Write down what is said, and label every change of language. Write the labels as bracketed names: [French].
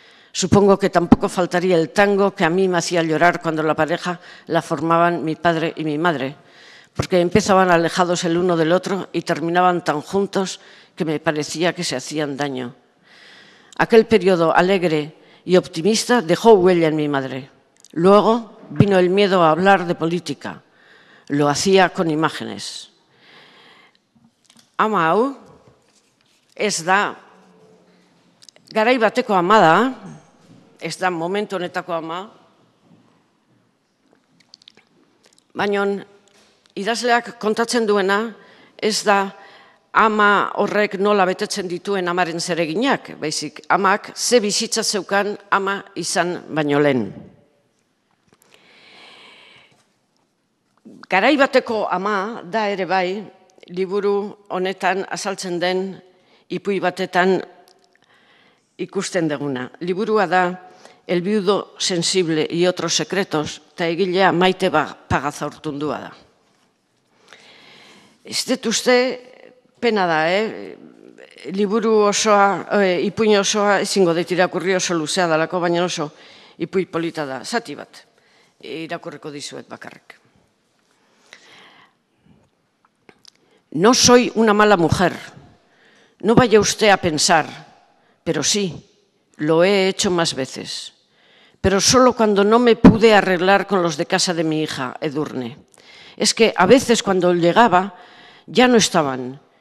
[Spanish] Supongo que tampoco faltaría el tango que a mí me hacía llorar cuando la pareja la formaban mi padre y mi madre, porque empezaban alejados el uno del otro y terminaban tan juntos que me parecía que se hacían daño. Aquel periodo alegre y optimista dejó huella en mi madre. Luego vino el miedo a hablar de política. Lo hacía con imágenes. [Basque] Ama hau, ez da, garai bateko ama da, ez da momentu honetako ama, baina idazleak kontatzen duena, ez da ama horrek nola betetzen dituen amaren zereginak, baizik amak ze bizitza zeukan ama izan baino lehen. Garai bateko ama da ere bai, liburu honetan azaltzen den ipui batetan ikusten deguna. Liburua da El viudo sensible y otros secretos, ta egilea Maite Pagazaurtundua da. Ez dut uste, pena da, liburu osoa, ipuin osoa, ezingo dut irakurri oso luzea dalako, baina oso ipuin polita da, zati bat, irakurreko dizuet bakarrek. [Spanish] No soy una mala mujer, no vaya usted a pensar, pero sí, lo he hecho más veces. Pero solo cuando no me pude arreglar con los de casa de mi hija, Edurne. Es que a veces cuando llegaba, ya no estaban.